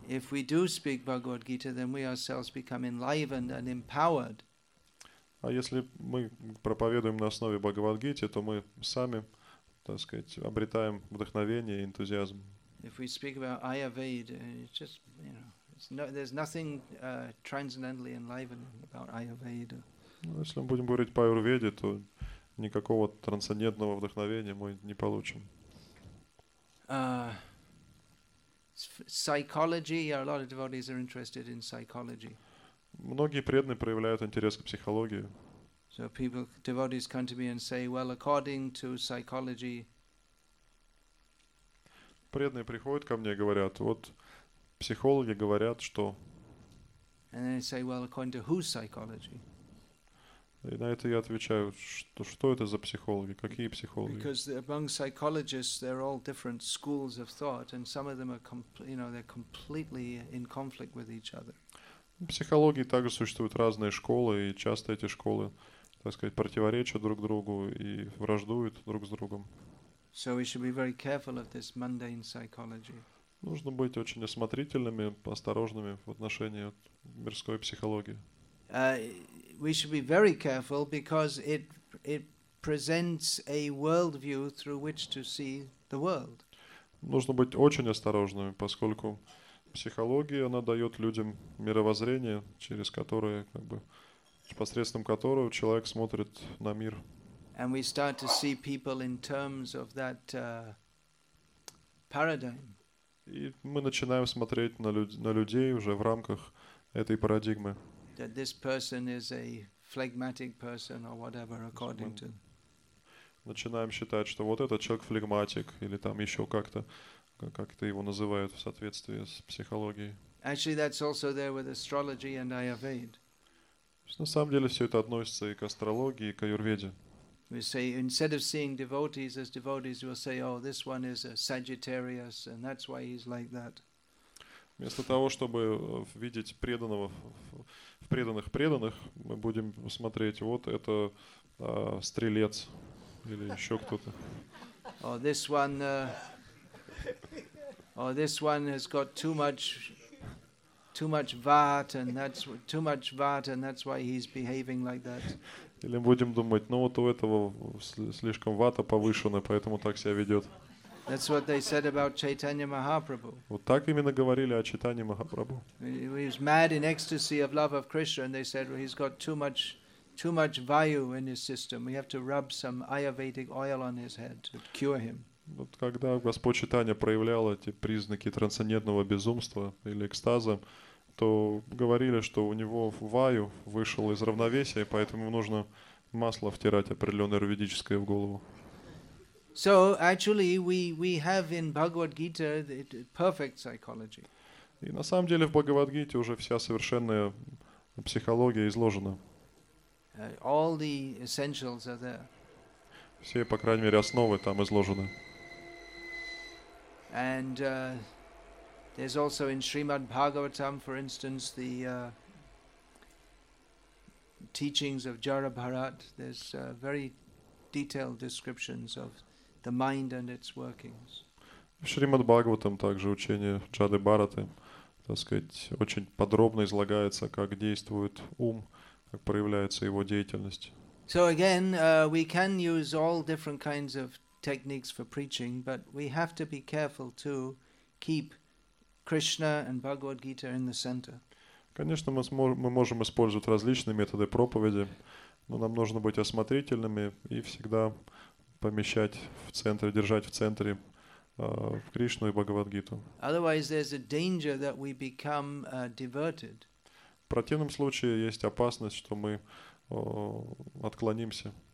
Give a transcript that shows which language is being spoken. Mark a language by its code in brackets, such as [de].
[en] If we do speak Bhagavad Gita, then we ourselves become enlivened and empowered. [ru] А если мы проповедуем на основе Бхагавадгиты, то мы сами, так сказать, обретаем вдохновение и энтузиазм. [en] If we speak about Ayurveda, it's just, you know, there's nothing transcendentally enlivening about Ayurveda. [ru] Ну, если мы будем говорить по Аюрведе, то никакого трансцендентного вдохновения мы не получим. [en] Psychology. A lot of devotees are interested in psychology. [ru] Многие преданные проявляют интерес к психологии. [en] So people, devotees come to me and say, well, according to psychology. [ru] Преданные приходят ко мне и говорят, вот психологи говорят, что. [en] And they say, well, according to whose psychology? [ru] И на это я отвечаю, что это за психологи, какие психологи? [en] Because among psychologists there are all different schools of thought, and some of them are, they're completely in conflict with each other. [ru] В психологии также существуют разные школы, и часто эти школы, так сказать, противоречат друг другу и враждуют друг с другом. [en] So we should be very careful of this mundane psychology. [ru] Нужно быть очень осмотрительными, осторожными в отношении мирской психологии. [en] We should be very careful because it presents a world view through which to see the world. [ru] Нужно быть очень осторожными, поскольку психология, она дает людям мировоззрение, через которое, как бы, посредством которого человек смотрит на мир. [en] And we start to see people in terms of that paradigm. [ru] И мы начинаем смотреть на людей уже в рамках этой парадигмы. [en] That this person is a phlegmatic person or whatever, according to. [ru] Начинаем считать, что вот этот человек флегматик или там еще как-то, как-то его называют в соответствии с психологией. [en] Actually, that's also there with astrology and Ayurveda. [ru] На самом деле все это относится и к астрологии, и к Аюрведе. [en] We say instead of seeing devotees as devotees, we'll say, oh, this one is a Sagittarius, and that's why he's like that. [ru] Вместо того, чтобы видеть преданного в преданных преданных, мы будем смотреть, вот это стрелец или еще кто-то. [en] Oh, this one. This one has got too much vata, and that's why he's behaving like that. [ru] Или будем думать, ну вот у этого слишком вата повышена, поэтому так себя ведет. [en] That's what they said about Chaitanya Mahaprabhu. [ru] Вот так именно говорили о Чайтанье Махапрабху. [en] He was mad in ecstasy of love of Krishna, and they said, well, he's got too much, too much vayu in his system. We have to rub some ayurvedic oil on his head to cure him. [ru] Вот когда Господь Читания проявлял эти признаки трансцендентного безумства или экстаза, то говорили, что у него ваю вышел из равновесия, поэтому нужно масло втирать определенное аюрведическое в голову. [en] So actually we have in Bhagavad Gita perfect psychology. [ru] И на самом деле в Бхагавад-гите уже вся совершенная психология изложена. [en] All the essentials are there. [ru] Все, по крайней мере, основы там изложены. [en] And there's also in Srimad Bhagavatam, for instance, the teachings of Jara Bharat. There's very detailed descriptions of the mind and its workings. [ru] В Шримад Бхагаватам также учение Джары Бхараты, так сказать, очень подробно излагается, как действует ум, как проявляется его деятельность. [en] So again, we can use all different kinds of techniques for preaching, but we have to be careful to keep Krishna and Bhagavad Gita in the center. [ru] Конечно, мы можем использовать различные методы проповеди, но нам нужно быть осмотрительными и всегда помещать в центре, держать в центре в Кришну и Бхагавад Гиту. [en] Otherwise, there's a danger that we become diverted. [ru] В противном случае есть опасность, что мы отклонимся.